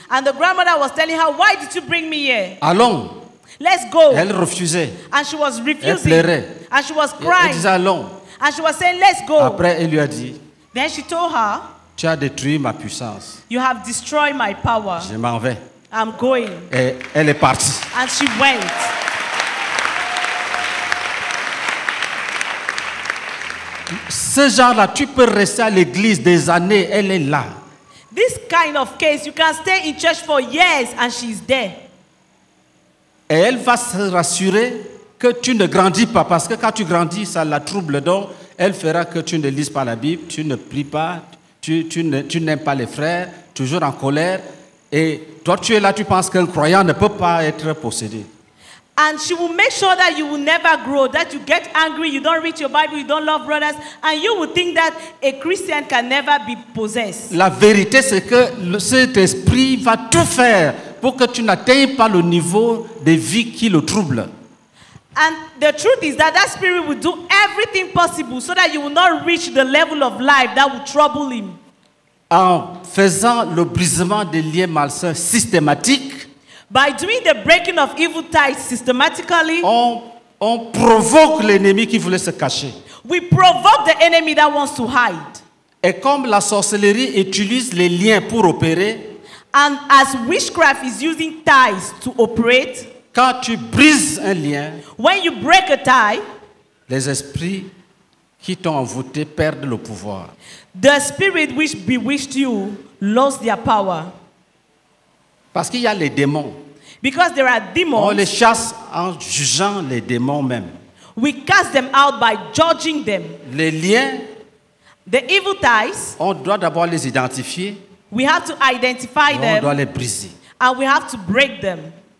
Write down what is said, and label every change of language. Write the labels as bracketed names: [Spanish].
[English] And the grandmother was telling her, why did you bring me here? [French] Allons. [English] Let's go. [French] Elle refusait. [English] And she was refusing. [French] Elle pleurait. [English] And she was crying. [French] Elle disait, allons. [English] And she was saying, let's go. [French] Après, elle lui a dit, [English] then she told her, [French] tu as détruit ma puissance. [English] You have destroyed my power. [French] Je m'en vais. [English] I'm going. [French] Et elle est partie. [English] And she went. [French] Ce genre-là, tu peux rester à l'église des années, elle est là. [English] This kind of case, you can stay in church for years and she's there. [French] Et elle va se rassurer que tu ne grandis pas, parce que quand tu grandis, ça la trouble. Donc, elle fera que tu ne lises pas la Bible, tu ne pries pas, tu n'aimes pas les frères, toujours en colère. Et toi, tu es là, tu penses qu'un croyant ne peut pas être possédé. [English] And she will make sure that you will never grow, that you get angry, you don't read your Bible, you don't love brothers, and you will think that a Christian can never be possessed. [French] La vérité, c'est que cet esprit va tout faire pour que tu n'atteignes pas le niveau de vie qui le trouble. [English] And the truth is that that spirit will do everything possible so that you will not reach the level of life that will trouble him. [French] En faisant le brisement des liens malsains systématiques, [English] by doing the breaking of evil ties systematically, [French] on provoque l'ennemi qui voulait se cacher. [English] We provoke the enemy that wants to hide. [French] Et comme la sorcellerie utilise les liens pour opérer, [English] and as witchcraft is using ties to operate, [French] quand tu brises un lien, [English] when you break a tie, [French] les esprits qui t'ont envoûté perdent le pouvoir. [English] The spirit which bewitched you lost their power. [French] Parce qu'il y a les démons. [English] Because there are demons. [French] On les chasse en jugeant les démons même. [English] We cast them out by judging them. [French] Les liens, [English] the evil ties, [French] on doit d'abord les identifier. [English] We have to identify them. [French] On doit les briser. [English] And we have to break them.